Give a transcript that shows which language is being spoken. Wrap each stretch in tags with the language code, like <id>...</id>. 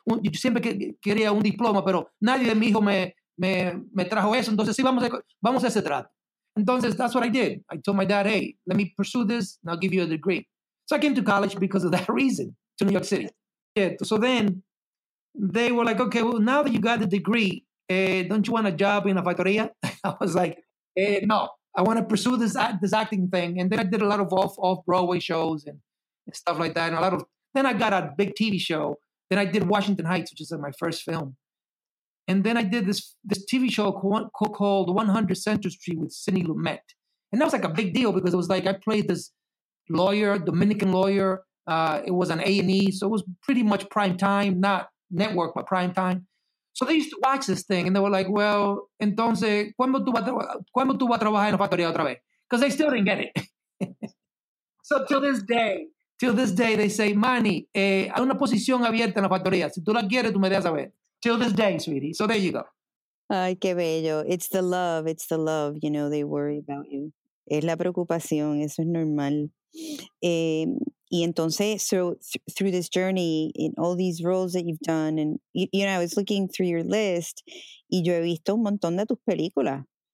<es>Yo siempre quería un diploma, pero nadie de mi hijo me trajo eso. Entonces, sí, vamos a ese trato. Entonces,</es> <en>that's what I did. I told my dad, "Hey, let me pursue this and I'll give you a degree." So I came to college because of that reason, to New York City. Yeah. So then they were like, "Okay, well, now that you got the degree, don't you want a job in a factoría?" I was like, "No. I want to pursue this acting thing." And then I did a lot of off Broadway shows and stuff like that. And then I got a big TV show. Then I did Washington Heights, which is like my first film. And then I did this TV show called 100 Center Street with Sidney Lumet. And that was like a big deal because it was like, I played this lawyer, Dominican lawyer. It was on A&E. So it was pretty much prime time, not network, but prime time. So they used to watch this thing, and they were like, "Well,</en> <es>entonces, ¿cuándo tú vas a trabajar en la factoría otra vez?"</es> <en>Because they still didn't get it. So till this day, they say,</en> <es>"Manny, hay una posición abierta en la factoría. Si tú la quieres, tú me dejas saber."</es> <en>Till this day, sweetie. So there you go.</en> <es>Ay, qué bello.</es> <en>It's the love. It's the love. You know, they worry about you.</en> <es>Es la preocupación. Eso es normal. Y entonces,</es> <en>so through this journey, in all these roles that you've done, and, you know, I was looking through your list,</en> <es>y yo he visto un montón de tus películas.</es>